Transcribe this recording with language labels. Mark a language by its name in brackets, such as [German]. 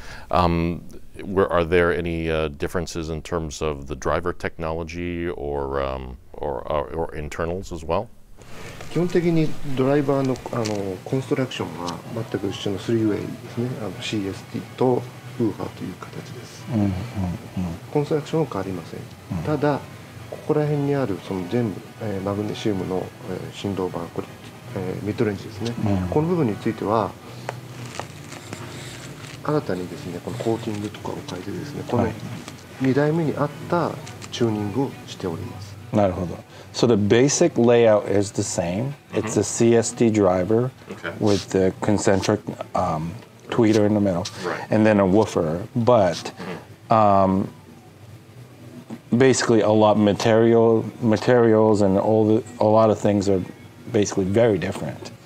[English] Are there any differences in terms of the driver technology or internals as well? [Japanese] 基本的にドライバーのコンストラクションは全く一緒のスリーウェイですね。CST とウーファーという形です。コンストラクションは変わりません。ただ ここら辺にあるその全部マグネシウムの振動板、これミッドレンジですね。この部分については新たにですね、このコーティングとかを変えてですね、この2代目にあったチューニングをしております。なるほど。So [English] the basic layout is the same. It's a CST driver with the concentric tweeter in the middle, and then a woofer. But basically, a lot materials and a lot of things are basically very different.